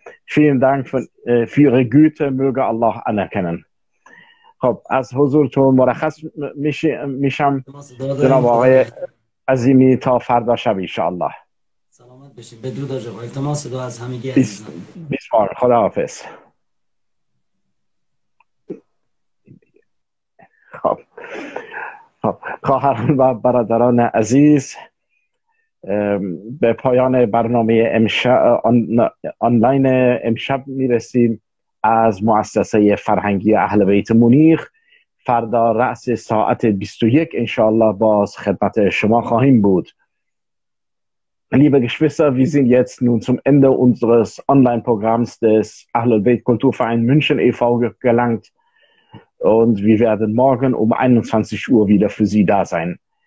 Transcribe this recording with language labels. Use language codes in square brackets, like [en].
[de] Vielen Dank für Ihre Güte, möge Allah anerkennen. [fa] خب از حضورتون مرخص میشم جناب آقای عزیمی تا فردا شب ان شاء الله. سلامت باشین. بدرود آقا. التماس دعا از همگی عزیزان. بسیار خداحافظ. خب خب خواهران و برادران عزیز، به پایان برنامه امشب آنلاین امشب میرسیم از مؤسسه فرهنگی اهل بیت مونیخ. فردا رأس ساعت 21 انشاءالله باز خدمت شما خواهیم بود. [de] Liebe Geschwister, wir sind jetzt nun zum Ende unseres Online-Programms des Ahlulbeit Kulturverein München e.V. gelangt und wir werden morgen um 21 Uhr wieder für Sie da sein.